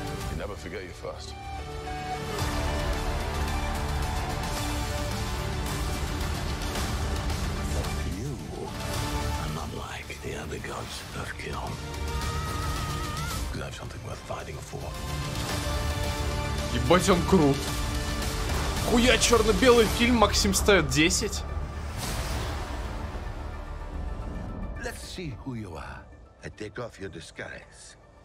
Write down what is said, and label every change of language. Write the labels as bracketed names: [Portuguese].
[English] You never forget your first. But you, I'm unlike the other gods of Kiln. Because I have something worth fighting for. [Russian] Ебать, он крут. Хуя, черно-белый фильм, Максим ставит 10. [English] Let's see who you are. I take off your disguise.